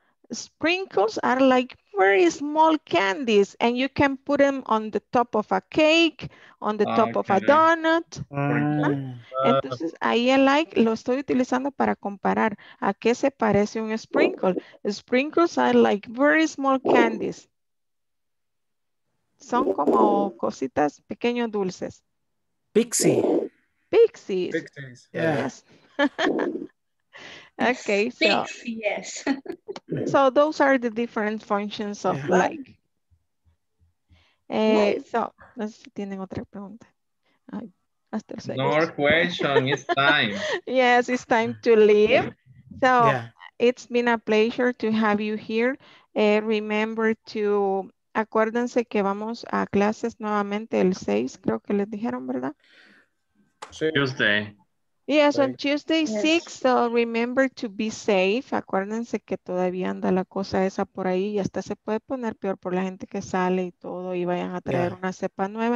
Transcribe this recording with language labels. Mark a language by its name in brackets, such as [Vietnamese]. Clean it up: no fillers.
[English] Sprinkles are like very small candies, and you can put them on the top of a cake, on the top of a donut. [Spanish] Entonces, ahí es like, lo estoy utilizando para comparar. ¿A qué se parece un sprinkle? [English] Sprinkles are like very small candies. [Spanish] Son como cositas, pequeños dulces. [English] Pixie. Pixies. Pixies. Yes. Okay, so yes. So those are the different functions of like. [Spanish] So, no sé si tienen otra pregunta. Hasta el [English] segundo. No more question, it's time. Yes, it's time to leave. So, it's been a pleasure to have you here. Remember to, [Spanish] acuérdense que vamos a clases nuevamente el 6, creo que les dijeron, ¿verdad? [English] Tuesday. Yes, on Tuesday 6, so remember to be safe. [Spanish] Acuérdense que todavía anda la cosa esa por ahí y hasta se puede poner peor por la gente que sale y todo y vayan a traer una cepa nueva.